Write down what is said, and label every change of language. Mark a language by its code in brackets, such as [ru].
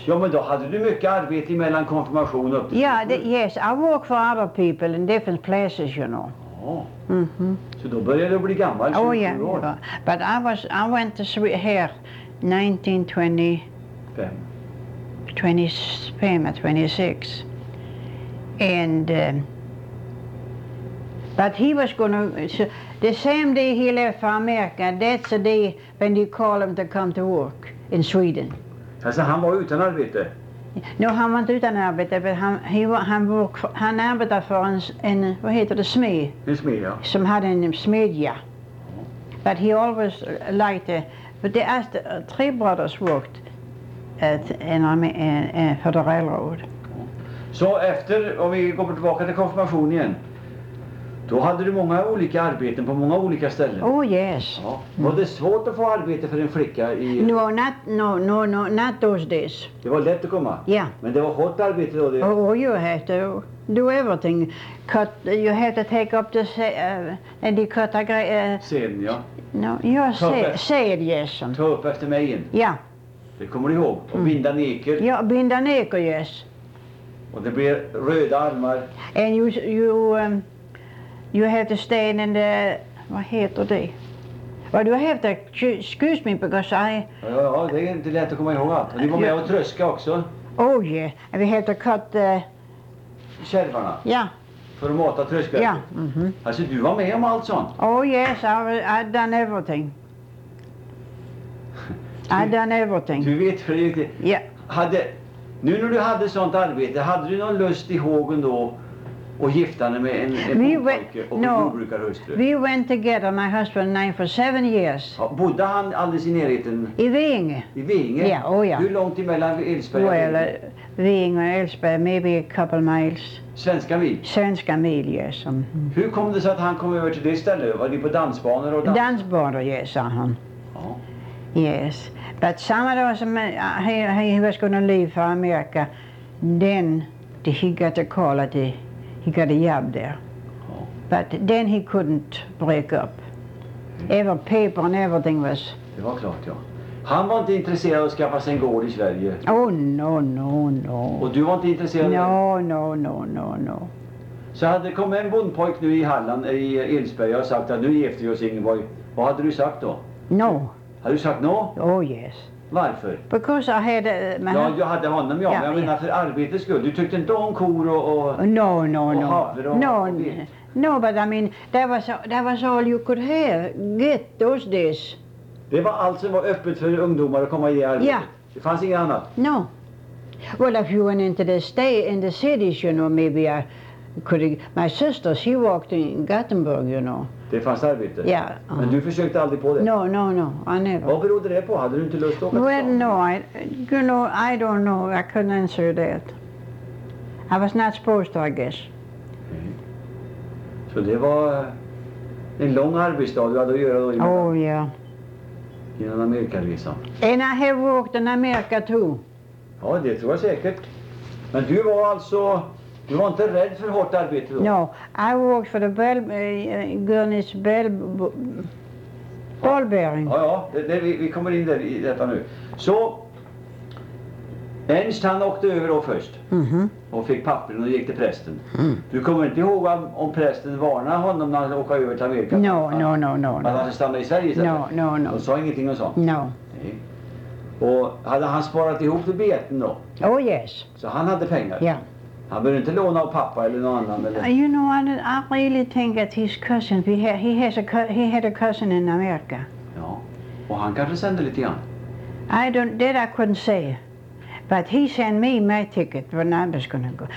[sv] Ja, men då hade du mycket arbete mellan konfirmation och ja, yes. [en] I work for other people in different places, you know. [sv] Ja. Mm-hmm. Så då började du bli gammal, 27 år. [en] But I went to Sweden here 1925 or 26. And but he was gonna, so the same day he left for America, that's the day when you call him to come to work. In Sweden. [sv] Alltså han var utan arbete? No, han var inte utan arbete, men han arbetade för en vad heter det, smed. En smed, ja. Som hade en smedja. [en] But he always liked it. But they asked, three brothers worked for the railroad. [sv] Så efter, om vi går tillbaka till konfirmationen igen. Då hade du många olika arbeten på många olika ställen. [en] Oh yes. [sv] Ja. Var det svårt att få arbete för en flicka i... [en] No, not those days. [sv] Det var lätt att komma. Ja. Yeah. Men det var hårt arbete då. Det... [en] Oh, you have to do everything. Cut, you have to take up the... and you cut a great... [sv] Sen, ja. [en] No, you are sad, yes. [sv] Ta upp efter mig igen. Ja. Yeah. Det kommer du ihåg. Och binda neker. Ja, binda neker, yes. Och det blir röda armar. [en] And you have to stay in the, [sv] vad heter det? [en] Well, you have to, excuse me, because I... [sv] Ja, det är inte lätt att komma ihåg allt. Och ni var med och tröska också. [en] Oh yeah, and we have to cut the... [sv] Kärvarna? Ja. Yeah. För att mata tröskar? Ja. Yeah. Mm-hmm. Alltså du var med om allt sånt? [en] Oh yes, I've done everything. I've done everything. [sv] Du vet för det inte. Ja. Hade, nu när du hade sånt arbete, hade du någon lust i hågen då? Och giftade med en jordbrukarhustru. [en] We went together, my husband and I, for 7 years. [sv] Ja, bodde han alldeles i närheten? I Veinge. I Veinge? Ja, oh ja. Hur långt emellan Älvsberg? [en] Well, Veinge och Älvsberg, maybe a couple miles. [sv] Svenska mil? Svenska mil, yes. Mm. Hur kom det så att han kom över till det stället? Var ni på dansbanor och dans? Dansbanor, yes, sa han. Ja. [en] Yes. But some of those, he was going to leave for America. Then he got the call at the... He got a job there, but then he couldn't break up. Every paper and everything was... [sv] Det var klart, ja. Han var inte intresserad av att skaffa sig en gård i Sverige. [en] Oh, no. [sv] Och du var inte intresserad? [en] No. [sv] Så hade kommit en bondpojk nu i Halland, i Älvsberg, och sagt att nu gifte vi oss, Ingeborg. Vad hade du sagt då? [en] No. [sv] Har du sagt no? [en] Oh, yes. [sv] Varför? [en] Because I had [sv] jag hade honom, ja, men jag menar för arbetets skull. Du tyckte inte om kor och [en] No. [sv] Havre och [en] No, but I mean, that was all you could have, get those days. [sv] Det var allt som var öppet för ungdomar att komma i arbetet. [en] Yeah. [sv] Det fanns inget annat. [en] No. Well, if you went into the stay in the cities, you know, maybe I could... My sister, she worked in Gothenburg, you know. [sv] Det fanns arbete? Ja. Yeah, Men du försökte aldrig på det? [en] No, I never. [sv] Vad berodde det på? Hade du inte lust att åka? [en] Well, no, I don't know, I couldn't answer that. I was not supposed to, I guess. [sv] Så det var en lång arbetsdag du hade att göra då? [en] Oh, yeah. [sv] Genom Amerikaresan. [en] And I have worked in America too. [sv] Ja, det tror jag säkert. Men du var alltså Du var inte rädd för hårt arbete då? [en] No, I worked for the bell, Gurney's bell, ball bearing. [sv] Ja, ja, det, vi kommer in där i detta nu. Så, Ernst han åkte över då först. Mm-hmm. Och fick pappren och gick till prästen. Mm. Du kommer inte ihåg om prästen varnade honom när han åkte över till Amerika? [en] No. [sv] Han hade stannat i Sverige? [en] No. [sv] Han sa ingenting och sa? [en] No. [sv] Och hade han sparat ihop till beten då? [en] Oh yes. [sv] Så han hade pengar? Ja. Yeah. Han behöver inte låna av pappa eller någon annan eller? [en] You know, I really think that his cousin, he had a cousin in America. [sv] Ja, och han kanske sände lite grann? [en] I don't, that I couldn't say. But he sent me my ticket when I was gonna go.